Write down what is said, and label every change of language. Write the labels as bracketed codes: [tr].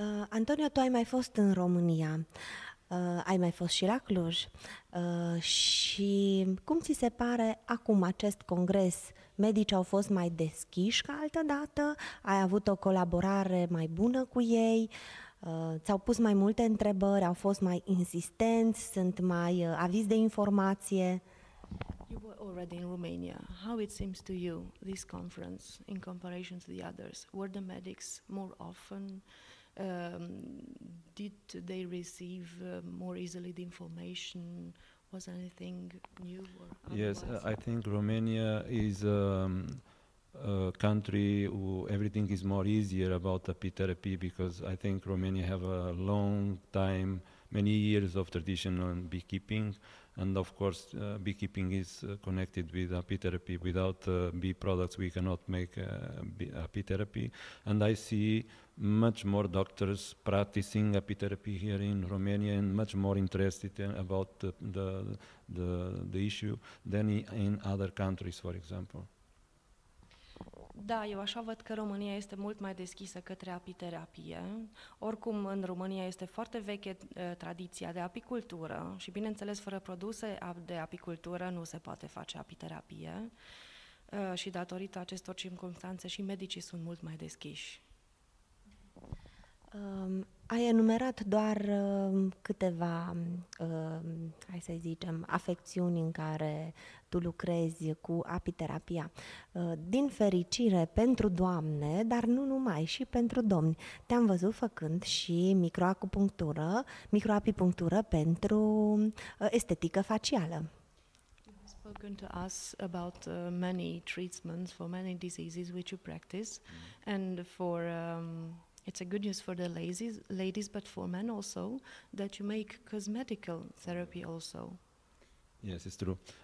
[ro] Antonio, tu ai mai fost în România, ai mai fost și la Cluj și cum ți se pare acum acest congres? Medici au fost mai deschiși ca altă dată? Ai avut o colaborare mai bună cu ei? Ți-au pus mai multe întrebări? Au fost mai insistenți? Sunt mai avizi de informație? [en] You were already in Romania. How it seems to you, this conference, in comparison to the others, were the medics more often... did they receive more easily the information? Was anything new or otherwise? Yes, I think Romania is a country who everything is more easier about API therapy because I think Romania have a long time, many years of tradition on beekeeping, and of course beekeeping is connected with API therapy. Without bee products we cannot make API therapy, and I see much more doctors practicing API therapy here in Romania and much more interested about the issue than in other countries, for example. [ro] Da, eu așa văd că România este mult mai deschisă către apiterapie. Oricum, în România este foarte veche tradiția de apicultură și, bineînțeles, fără produse de apicultură nu se poate face apiterapie. Și datorită acestor circumstanțe și medicii sunt mult mai deschiși. Ai enumerat doar câteva, hai să zicem, afecțiuni în care tu lucrezi cu apiterapia. Din fericire, pentru doamne, dar nu numai, și pentru domni, te-am văzut făcând și microacupunctură, microapipunctură pentru estetică facială. [en] Spoken to us about many treatments for many diseases which you practice and for it's a good news for the ladies, but for men also, that you make cosmetical therapy also. Yes, it's true.